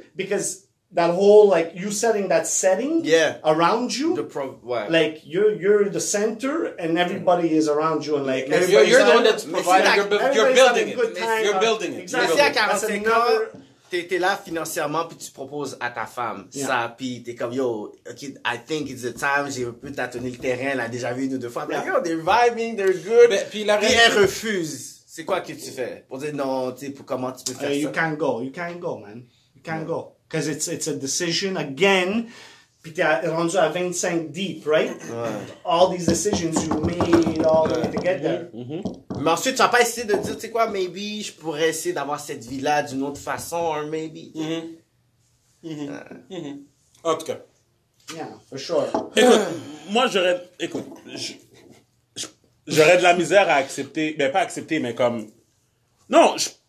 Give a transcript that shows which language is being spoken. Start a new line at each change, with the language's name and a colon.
English: Because that whole, like, you setting that setting around you. Like, you're the center and everybody is around you. And, like, you're the one that's providing. You're building it. You're building it. Exactly.
French: Si à 45 ans, t'es là financièrement puis tu proposes à ta femme ça. Puis t'es comme,
English: yo, okay, I think it's the time.
French: J'ai un peu tâtonné le terrain. Elle a déjà vu une ou deux fois.
English: Yo, they're vibing, they're good.
French: Puis elle refuse. C'est quoi que tu fais? Pour dire, non, tu sais, comment tu peux faire ça?
English: You can't go. You can't go, man. You can't go. Because it's a decision, again,
French: puis t'es rendu à
English: 25 deep, right? All these decisions you made, all the way to get there.
French: Mais ensuite, tu vas pas essayer de dire, tu sais quoi, maybe je pourrais essayer d'avoir cette vie-là d'une autre façon, or maybe. En tout cas.
English: Yeah, for sure.
French: Écoute, moi, j'aurais de la misère à accepter, ben pas accepter, mais comme, non, je...